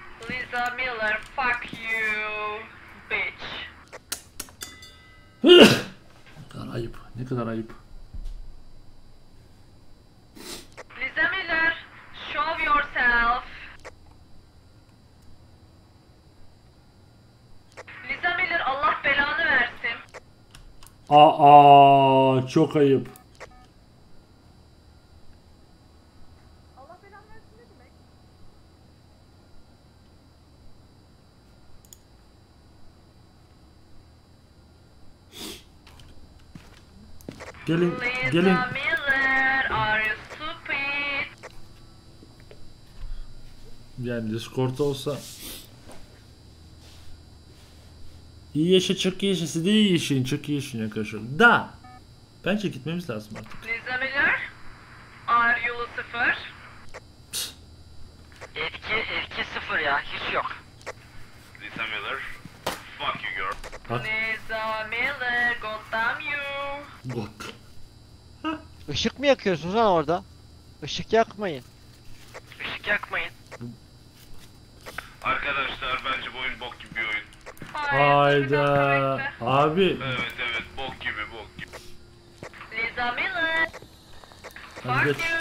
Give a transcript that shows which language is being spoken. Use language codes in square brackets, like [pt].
[en] Liza Miller, fuck you, bitch. [tr] Ne kadar ayıp, ne kadar ayıp. [en] Liza Miller, show yourself. [tr] Liza Miller, Allah belanı versin. Aa, çok ayıp. Allah belanı versin ne demek? Gelin, Liza gelin. [en] Liza Miller, are you stupid? [tr] Yani Discord'da olsa... İyi yaşa, çok iyi yaşa. Siz de iyi yaşayın, çok iyi yaşayın arkadaşlar. Da! Bence gitmemiz lazım artık. Lisa Miller? Ağır yolu sıfır. Etki sıfır ya, hiç yok. [en] Lisa Miller? Fuck you girl. [tr] Bak. [en] Lisa Miller, god damn you. God. [tr] Işık mı yakıyorsunuz lan orada? Işık yakmayın. Işık yakmayın. Arkadaşlar bence bu oyun bok gibi bir oyun. Hayda. Abi. Evet evet, bok gibi bok gibi. [en] Lisa Miller. Fuck you.